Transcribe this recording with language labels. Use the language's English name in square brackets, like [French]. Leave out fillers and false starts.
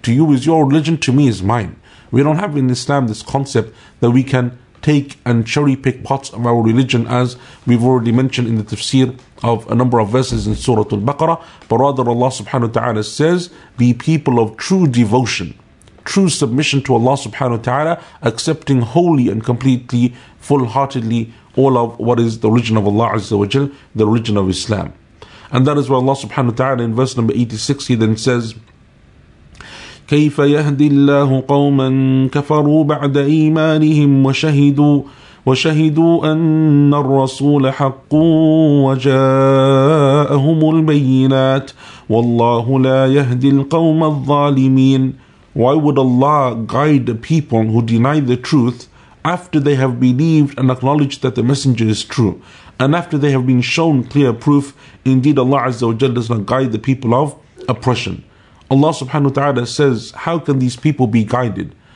[English] To you is your religion, to me is mine. We don't have in Islam this concept that we can take and cherry pick parts of our religion, as we've already mentioned in the tafsir of a number of verses in Surah Al-Baqarah. But rather Allah subhanahu wa ta'ala says, be people of true devotion, true submission to Allah subhanahu wa ta'ala, accepting wholly and completely, full-heartedly, all of what is the religion of Allah azza wa jal, the religion of Islam. And that is where Allah subhanahu wa ta'ala in verse number 86, he then says, [Arabic] كيف يهدي الله قوما كفروا بعد إيمانهم وشهدوا أن الرسول حق وجاءهم البينات والله لا يهدي القوم الظالمين. [English] Why would Allah guide the people who deny the truth after they have believed and acknowledged that the messenger is true, and after they have been shown clear proof? Indeed, Allah Azza wa Jalla does not guide the people of oppression. Allah subhanahu wa ta'ala says, how can these people be guided?